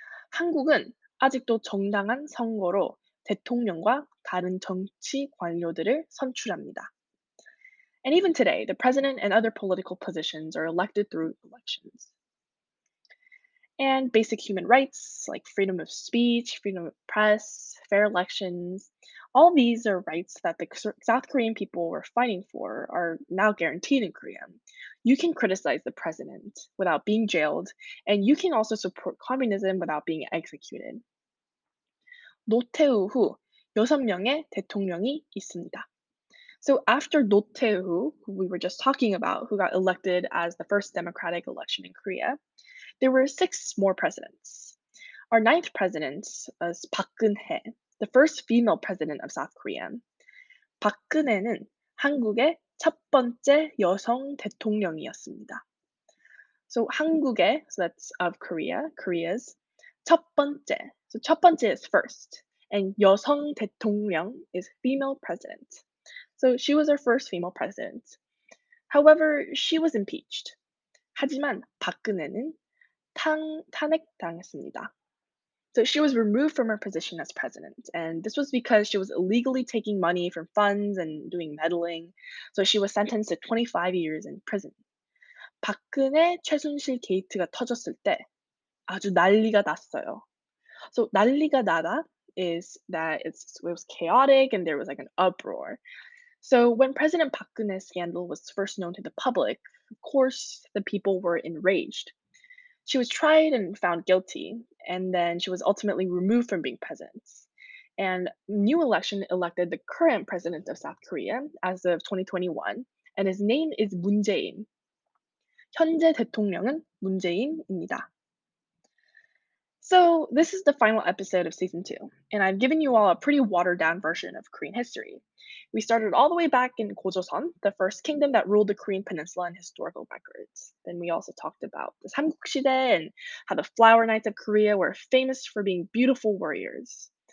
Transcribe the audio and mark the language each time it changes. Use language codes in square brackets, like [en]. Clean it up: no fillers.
[ko] 한국은 아직도 정당한 선거로 대통령과 다른 정치 관료들을 선출합니다. [en] And even today, the president and other political positions are elected through elections. And basic human rights, like freedom of speech, freedom of press, fair elections, all these are rights that the South Korean people were fighting for are now guaranteed in Korea. You can criticize the president without being jailed, and you can also support communism without being executed. [ko] 노태우 후 6명의 대통령이 있습니다. [en] So after Noteu, who we were just talking about, who got elected as the first democratic election in Korea, there were six more presidents. Our ninth president is Park Geun-hye, the first female president of South Korea. [ko] Park Geun-hye는 한국의 첫 번째 여성 대통령이었습니다. [en] So [ko] 한국의, [en] so that's of Korea, Korea's [ko] 첫 번째. [en] So [ko] 첫 번째 [en] is first, and [ko] 여성 대통령 [en] is female president. So she was our first female president. However, she was impeached. [ko] 하지만 박근혜는 탄핵당했습니다. [en] So she was removed from her position as president, and this was because she was illegally taking money from funds and doing meddling. So she was sentenced to 25 years in prison. [ko] 박근혜 최순실 게이트가 터졌을 때 아주 난리가 났어요. [en] So [ko] 난리가 나다 [en] is that it was chaotic and there was like an uproar. So when President Park Geun-hye's scandal was first known to the public, of course, the people were enraged. She was tried and found guilty, and then she was ultimately removed from being president. And new election elected the current president of South Korea as of 2021, and his name is Moon Jae-in. [ko] 현재 대통령은 문재인입니다. [en] So this is the final episode of season 2, and I've given you all a pretty watered-down version of Korean history. We started all the way back in Gojoseon, the first kingdom that ruled the Korean peninsula in historical records. Then we also talked about the Samguk Shidae and how the Flower Knights of Korea were famous for being beautiful warriors.